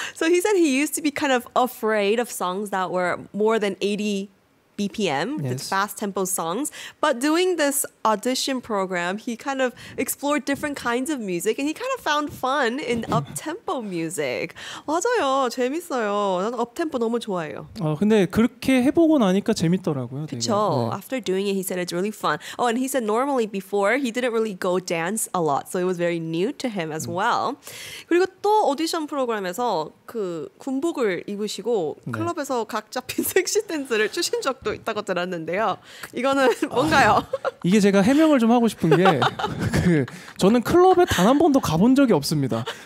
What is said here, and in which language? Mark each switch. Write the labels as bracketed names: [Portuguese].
[English] So he said he used to be kind of afraid of songs that were more than 80 BPM, yes. the fast tempo songs. But doing this audition program, he kind of explored different kinds of music and he kind of found fun in up tempo music. [Korean] 맞아요. 재밌어요. 난 [English] up tempo [Korean] 너무 좋아해요. 근데 그렇게 해 보고 나니까 재밌더라고요. 그렇죠. 네. [English] After doing it, he said it's really fun. Oh, and he said normally before he didn't really go dance a lot. So it was very new to him as well. [Korean] 그리고 또 오디션 프로그램에서 그 군복을 입으시고 네. 클럽에서 각자 핀 섹시 댄스를 추신 적도 있다고 들었는데요. 이거는 뭔가요? 이게 제가 해명을 좀 하고 싶은 게 그 저는 클럽에 단 한 번도 가본 적이 없습니다.